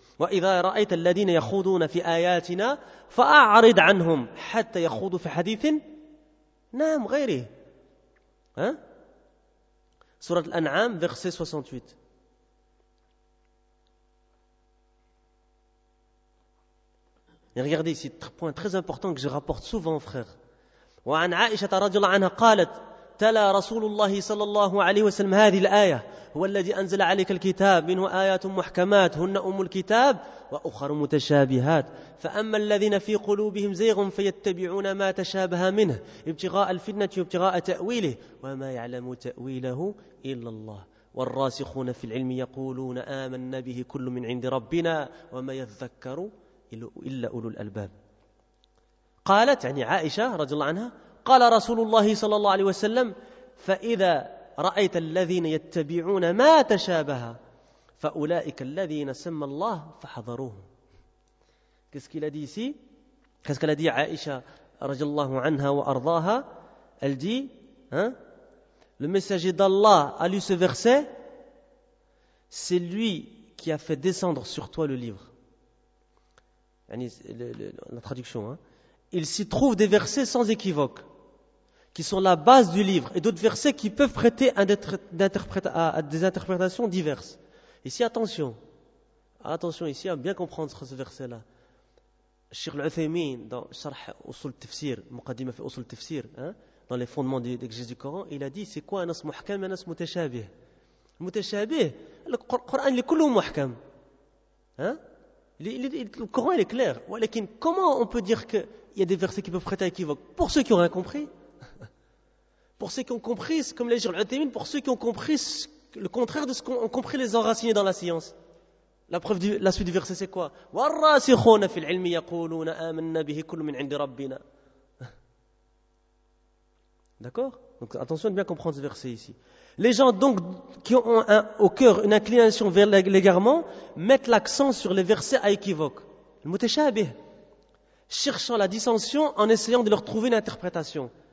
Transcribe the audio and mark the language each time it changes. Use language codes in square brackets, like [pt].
[ar] وَإِذَا رَأَيْتَ الَّذِينَ يَخُوضُونَ فِي آيَاتِنَا فَأَعْرِضْ عَنْهُمْ حَتَّى يَخُوضُوا فِي حَدِيثٍ نَعَمْ غَيْرِهِ. Hein? [fr] Surat Al-An'am, verset 68. Et regardez ici, point très important que je rapporte souvent, frère. [ar] وعن عائشة رضي الله عنها قالت تلا رسول الله صلى الله عليه وسلم هذه الآية هو الذي أنزل عليك الكتاب منه آيات محكمات هن أم الكتاب وأخر متشابهات فأما الذين في قلوبهم زيغ فيتبعون ما تشابه منه ابتغاء الفتنة وابتغاء تأويله وما يعلم تأويله إلا الله والراسخون في العلم يقولون آمنا به كل من عند ربنا وما يذكر إلا أولو الألباب. قالت يعني عائشة رضي الله عنها قال رسول الله صلى الله عليه وسلم فإذا رأيت الذين يتبعون ما تشابه فأولئك الذين سمى الله فحذروهم. [fr] Qu'est-ce qu'il a dit ici? Qu'est-ce qu'elle a dit Aïcha [ar] رضي الله عنها وأرضاها? [fr] Elle dit, hein? Le messager d'Allah a lu ce verset, c'est lui qui a fait descendre sur toi le livre. la traduction, hein. Il s'y trouve des versets sans équivoque, qui sont la base du livre, et d'autres versets qui peuvent prêter à des interprétations diverses. Ici, attention. Attention ici à bien comprendre ce verset-là. Cheikh Al-Uthaymeen, dans Sharh Usul Tafsir, Muqaddima fi Usul Tafsir, dans les fondements de l'exégèse du Coran, il a dit, c'est quoi un as muhkam et un as mutashabih? Le mutashabih, le Coran, il est tout muhkam. Le Coran, il est clair. Mais comment on peut dire qu'il y a des versets qui peuvent prêter à équivoque? Pour ceux qui ont rien compris. Pour ceux qui ont compris, comme l'a dit Cheikh Al-Uthaymeen, pour ceux qui ont compris le contraire de ce qu'ont compris les enracinés dans la science. La preuve de la suite du verset, c'est quoi? [ar] والراسخون في العلم يقولون آمنا به كل من عند ربنا. [fr] D'accord? Donc attention de bien comprendre ce verset ici. Les gens donc qui ont au cœur une inclination vers l'égarement mettent l'accent sur les versets à équivoque, le mutashabih, cherchant la dissension en essayant de leur trouver une interprétation.